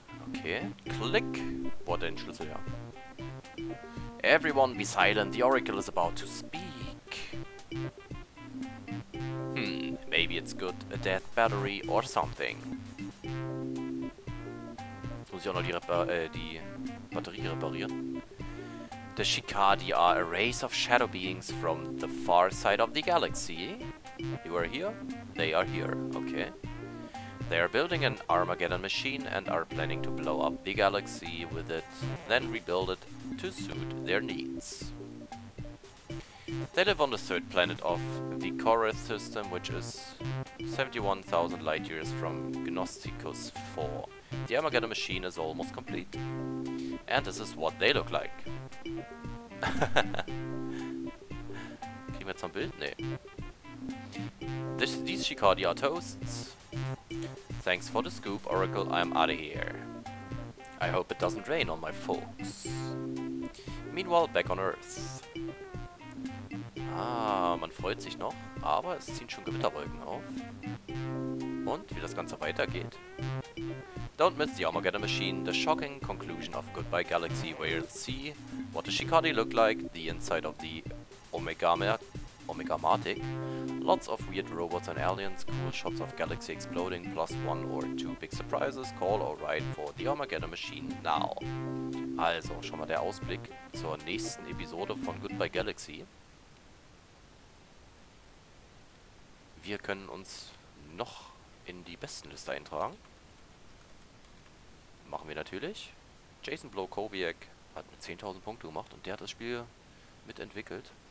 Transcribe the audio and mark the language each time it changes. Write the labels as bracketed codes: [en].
[en] Okay, click. [de] Boah, den Schlüssel, ja. [en] Everyone be silent, the Oracle is about to speak. Hmm, maybe it's good, a death battery or something. [de] Jetzt muss ich auch noch die Batterie reparieren. [en] The Shikadi are a race of shadow beings from the far side of the galaxy. You are here? They are here, okay. They are building an Armageddon machine and are planning to blow up the galaxy with it, then rebuild it to suit their needs. They live on the third planet of the Koreth system, which is 71,000 light years from Gnosticus 4. The Armageddon machine is almost complete. And this is what they look like. [de] Kriegen wir jetzt noch ein Bild? Nee. [en] These Shikadi are toasts. Thanks for the scoop, Oracle. I'm out of here. I hope it doesn't rain on my folks. Meanwhile, back on Earth. [de] Ah, man freut sich noch, aber es ziehen schon Gewitterwolken auf. Und wie das Ganze weitergeht. [en] Don't miss the Armageddon Machine, the shocking conclusion of Goodbye Galaxy, where you'll see what the Shikari look like, the inside of the Omegamatic, lots of weird robots and aliens, cool shots of galaxy exploding, plus one or two big surprises, call or ride for the Armageddon Machine now. [de] Also, schon mal der Ausblick zur nächsten Episode von Goodbye Galaxy. Wir können uns noch in die Bestenliste eintragen. Machen wir natürlich. Jason Blokowiak hat mit 10.000 Punkte gemacht und der hat das Spiel mitentwickelt.